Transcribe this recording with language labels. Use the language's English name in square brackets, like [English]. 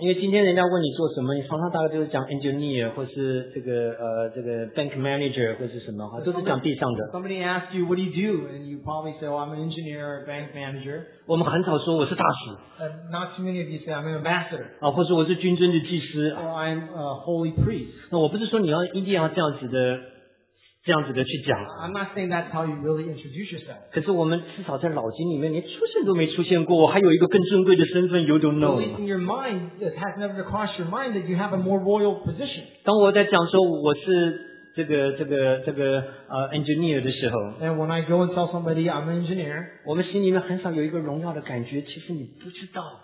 [Chinese] 因为今天人家问你做什么，你常常大概就是讲 engineer 或是这个这个 [English] bank manager [Chinese] 或是什么，都是讲地上的。 [English] Somebody asks you what do you do, and you probably say, well, I'm an engineer or bank manager. [Chinese] 我们很少说我是大使。 [English] Not too many of you say I'm an ambassador. [Chinese] 或是我是君尊的祭司。 [English] Or I'm a holy priest. [Chinese] 那我不是说你要一定要这样子的去讲。 [English] I'm not saying that's how you really introduce yourself. [Chinese] 可是我们至少在脑筋里面连出现都没出现过，我还有一个更尊贵的身份 ， [English] You don't know. In your mind, it has never crossed your mind that you have a more royal position. [Chinese] 当我在讲说我是这个engineer 的时候 [English] ，And when I go and tell somebody I'm an engineer, [Chinese] 我们心里面很少有一个荣耀的感觉，其实你不知道。